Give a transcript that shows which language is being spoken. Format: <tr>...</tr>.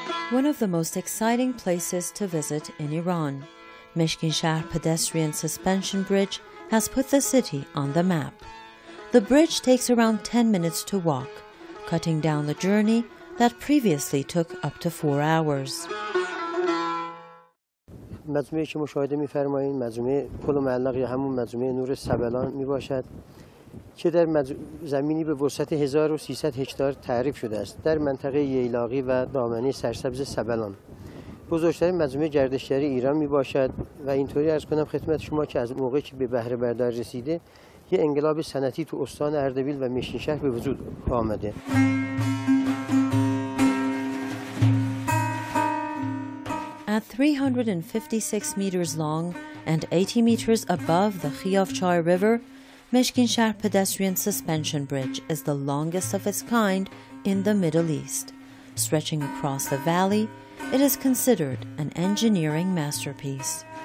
<en>One of the most exciting places to visit in Iran, Meshkin Shahr Pedestrian Suspension Bridge has put the city on the map. The bridge takes around 10 minutes to walk, cutting down the journey that previously took up to 4 hours.</en> <fa>مجموعه که مشاهده می‌فرمایید مجموعه پل معلق یا همون مجموعه نور سبلان می‌باشد که در زمینی به وسعت 1300 هکتار تعریف شده است در منطقه ییلاقی و دامنه سرسبز سبلان بزرگترین مجموعه گردشگری ایران می‌باشد و اینطوری عرض کنم خدمت شما که از موقعی که به بهره بردار رسیده یه انقلاب صنعتی تو استان اردبیل و میشکین شهر به وجود آمده.</fa> <en>At 356 meters long and 80 meters above the Khiavchai River, Meshkin Shahr Pedestrian Suspension Bridge is the longest of its kind in the Middle East. Stretching across the valley, it is considered an engineering masterpiece.</en>